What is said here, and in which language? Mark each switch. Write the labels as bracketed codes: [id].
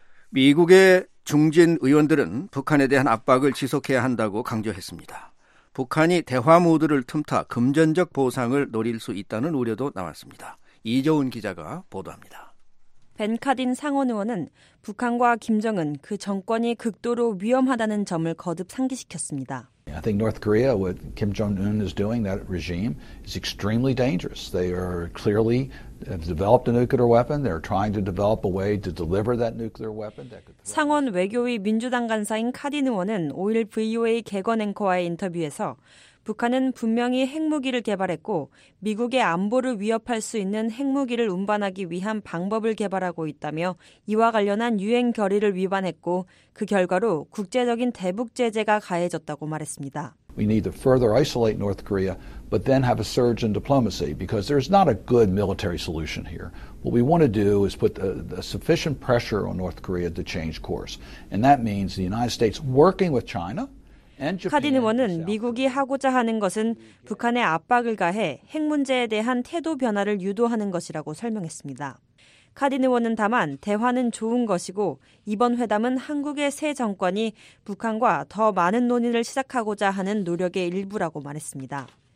[ko] 미국의 중진 의원들은 북한에 대한 압박을 지속해야 한다고 강조했습니다. 북한이 대화 모드를 틈타 금전적 보상을 노릴 수 있다는 우려도 나왔습니다. 이조은 기자가 보도합니다. 벤 카딘 상원 의원은 북한과 김정은 그 정권이 극도로 위험하다는 점을 거듭 상기시켰습니다. [en] I think North Korea, what Kim Jong-un is doing, that regime, is extremely dangerous. They are clearly have developed a nuclear weapon. They're trying to develop a way to deliver that nuclear weapon. [ko] 상원 외교위 민주당 간사인 카딘 의원은 5일 VOA 개건 앵커와의 인터뷰에서 북한은 분명히 핵무기를 개발했고 미국의 안보를 위협할 수 있는 핵무기를 운반하기 위한 방법을 개발하고 있다며 이와 관련한 유엔 결의를 위반했고 그 결과로 국제적인 대북 제재가 가해졌다고 말했습니다. [en] We need to further isolate North Korea, but then have a surge in diplomacy because there's not a good military solution here. What we want to do is put the sufficient pressure on North Korea to change course. And that means the United States working with China [ko] 카딘 의원은 미국이 하고자 하는 것은 북한의 압박을 가해 핵 문제에 대한 태도 변화를 유도하는 것이라고 설명했습니다. 카딘 의원은 다만 대화는 좋은 것이고 이번 회담은 한국의 새 정권이 북한과 더 많은 논의를 시작하고자 하는 노력의 일부라고 말했습니다.